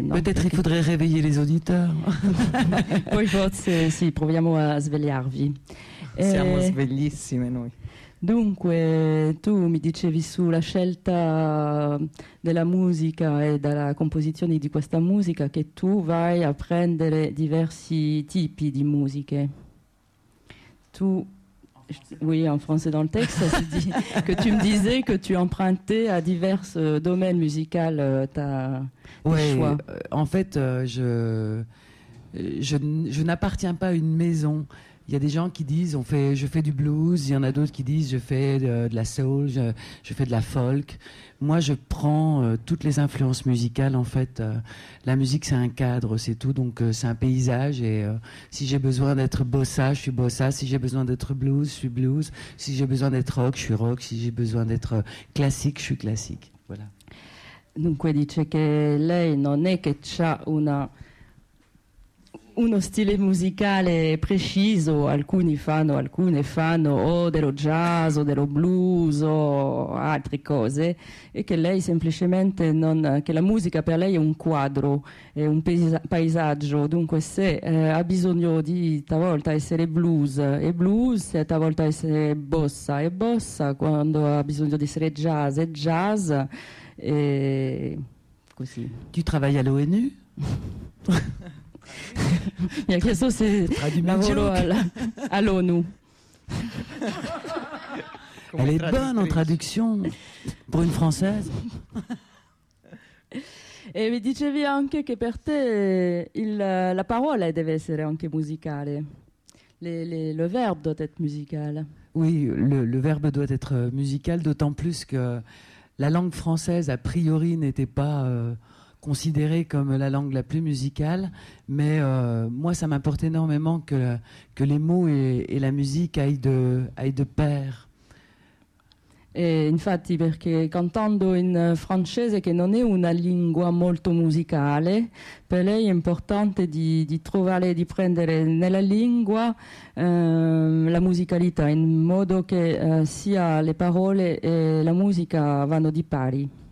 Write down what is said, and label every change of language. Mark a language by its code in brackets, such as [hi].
[fr] No, peut-être perché... il faudrait réveiller les auditeurs. [it] Poi forse, sì, proviamo a svegliarvi. Siamo svegliissime noi. Dunque, tu mi dicevi sulla scelta della musica e della composizione di questa musica che tu vai a prendere diversi tipi di musiche. [fr] Tu, oui, en français dans le texte, ça se dit que tu me disais que tu empruntais à divers domaines musicaux tes choix. Oui, en fait, je n'appartiens pas à une maison. Il y a des gens qui disent je fais du blues, il y en a d'autres qui disent je fais de la soul, je fais de la folk. Moi, je prends toutes les influences musicales, en fait. La musique, c'est un cadre, c'est tout, donc c'est un paysage. Et si j'ai besoin d'être bossa, je suis bossa. Si j'ai besoin d'être blues, je suis blues. Si j'ai besoin d'être rock, je suis rock. Si j'ai besoin d'être classique, je suis classique. Voilà. [it] Dunque dice che lei non è che c'ha una... uno stile musicale preciso, alcuni fanno o dello jazz o dello blues o altre cose, e che lei semplicemente non, che la musica per lei è un quadro, è un paesaggio. Dunque se ha bisogno di talvolta essere blues è blues, se talvolta essere bossa è bossa, quando ha bisogno di essere jazz è jazz, e così. [fr] Tu travailles à l'ONU? [it] Mi ha chiesto se lavoro all'ONU. [fr] Elle est bonne en traduction pour une française. [it] E mi dicevi anche che per te la parola deve essere anche musicale. [fr] Le verbe doit être musical. Oui, le verbe doit être musical, d'autant plus que la langue française a priori n'était pas considérée comme la langue la plus musicale, mais moi ça m'importe énormément que les mots et la musique aillent de pair. [it] Et infatti perché cantando in francese che non è una lingua molto musicale, per lei è importante di prendere nella lingua la musicalità in modo che sia le parole e la musica vanno di pari.